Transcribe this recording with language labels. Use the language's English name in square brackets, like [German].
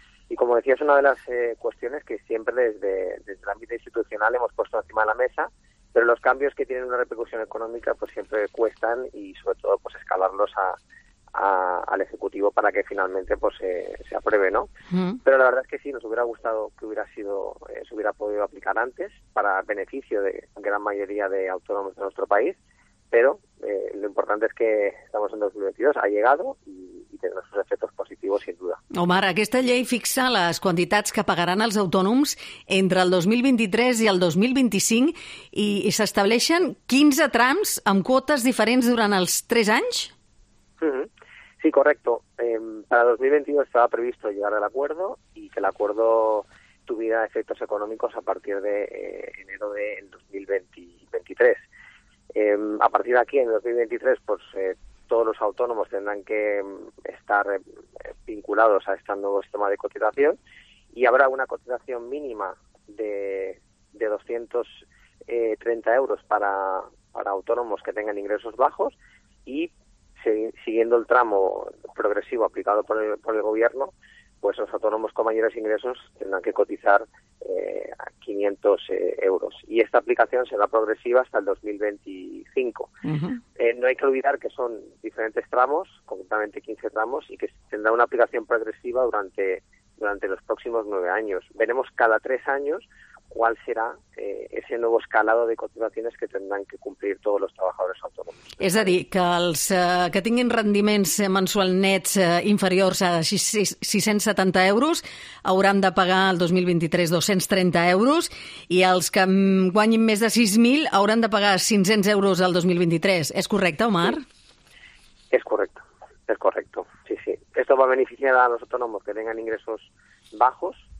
[Spanish] Y como decía, es una de las cuestiones que siempre desde el ámbito institucional hemos puesto encima de la mesa, pero los cambios que tienen una repercusión económica pues siempre cuestan y sobre todo pues escalarlos al Ejecutivo para que finalmente pues se apruebe, ¿no? Pero la verdad es que sí, nos hubiera gustado que se hubiera podido aplicar antes para beneficio de gran mayoría de autónomos de nuestro país, pero lo importante es que estamos en 2022, ha llegado y tendrá sus efectos positivos, sin duda. [Catalan] Omar, aquesta llei fixa les quantitats que pagaran els autònoms entre el 2023 i el 2025 i s'estableixen 15 trams amb quotes diferents durant els 3 anys? [Spanish] Sí, correcto. Para 2022 estaba previsto llegar al acuerdo y que el acuerdo tuviera efectos económicos a partir de enero del 2023. A partir de aquí, en 2023, pues todos los autónomos tendrán que estar vinculados a este nuevo sistema de cotización y habrá una cotización mínima de 230 euros para autónomos que tengan ingresos bajos y, siguiendo el tramo progresivo aplicado por el gobierno, pues los autónomos con mayores ingresos tendrán que cotizar a 500 euros. Y esta aplicación será progresiva hasta el 2025. Uh-huh. No hay que olvidar que son diferentes tramos, concretamente 15 tramos, y que tendrá una aplicación progresiva durante los próximos 9 años. Veremos cada 3 años cuál será ese nuevo escalado de cotizaciones que tendrán que cumplir todos los trabajadores autónomos. [Catalan] És a dir, que els que tinguin rendiments mensual nets inferiors a 670 euros hauran de pagar el 2023 230 euros i els que guanyin més de 6.000 hauran de pagar 500 euros el 2023. És correcte, Omar? Sí. És correcte. Sí, sí. [Spanish] Esto va a beneficiar a los autónomos que tengan ingresos bajos.